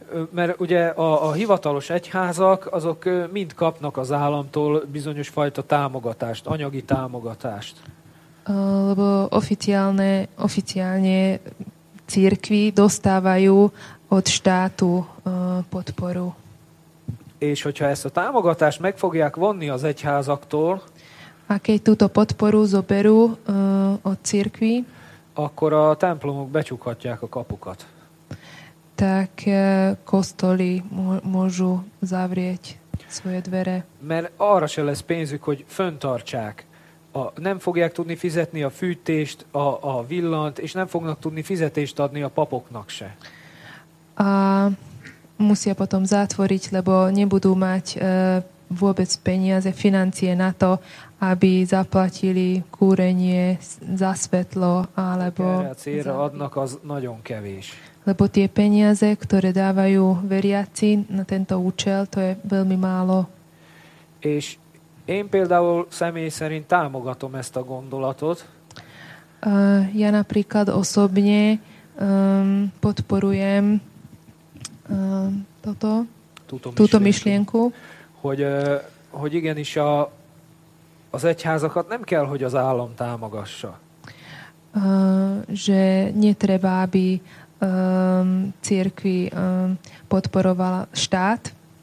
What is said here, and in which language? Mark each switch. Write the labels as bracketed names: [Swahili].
[Hungarian] Mert ugye a hivatalos egyházak, azok mind kapnak az államtól bizonyos fajta támogatást, anyagi támogatást. [Slovak] Lebo oficiálne cirkví dostávajú od štátu podporu. [Hungarian] És hogyha ezt a támogatást meg fogják vonni az egyházaktól, [Slovak] a keď túto podporu zoberú od cirkvi, [Hungarian] akkor a templomok becsukhatják a kapukat. [Slovak] Tak kostoly môžu zavrieť svoje dvere. [Hungarian] Mert arra se lesz pénzük, hogy föntartsák. Nem fogják tudni fizetni a fűtést, a villant, és nem fognak tudni fizetést adni a papoknak se. [Slovak] A musia potom zatvoriť, lebo nebudú mať vôbec peniaze, financie na to, aby zaplatili kúrenie, za svetlo, alebo [Hungarian] kreatíra adnak, az nagyon kevés. [Slovak] Lebo tie peniaze, ktoré dávajú veriaci na tento účel, to je veľmi málo. [Hungarian] És én például személy szerint támogatom ezt a gondolatot. [Slovak] Ja napríklad osobne podporujem toto, túto myšlienku, [Hungarian] hogy igenis az egyházakat nem kell, hogy az állam támogassa. [Slovak] Že netreba, aby cirkvi podporovala štát.